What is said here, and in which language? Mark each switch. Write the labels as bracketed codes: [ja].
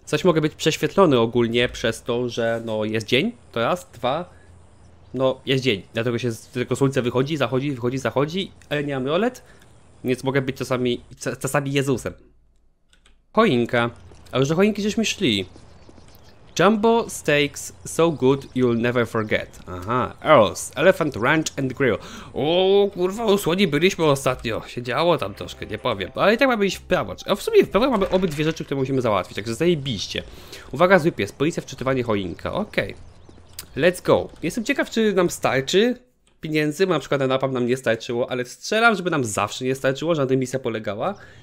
[pl] Coś mogę być prześwietlony ogólnie przez to, że no jest dzień, to raz, dwa, no jest dzień, dlatego się tylko słońce wychodzi, zachodzi, ale nie mamy OLED, więc mogę być czasami Jezusem. Choinka, a już do choinki żeśmy szli. [en] Jumbo steaks so good you'll never forget. [pl] Aha, Earl's Elephant Ranch and Grill. O kurwa, słodzi byliśmy ostatnio. Siedziało tam troszkę, nie powiem. Ale i tak mamy iść w prawo. A w sumie w prawo mamy obydwie rzeczy, które musimy załatwić. Także zajebiście. Uwaga, zły pies. Policja, wczytywanie, choinka. Okej. [en] Okay. Let's go. [pl] Jestem ciekaw, czy nam starczy pieniędzy. Bo na przykład na napam nam nie starczyło, ale strzelam, żeby nam zawsze nie starczyło, żeby na tym misja polegała.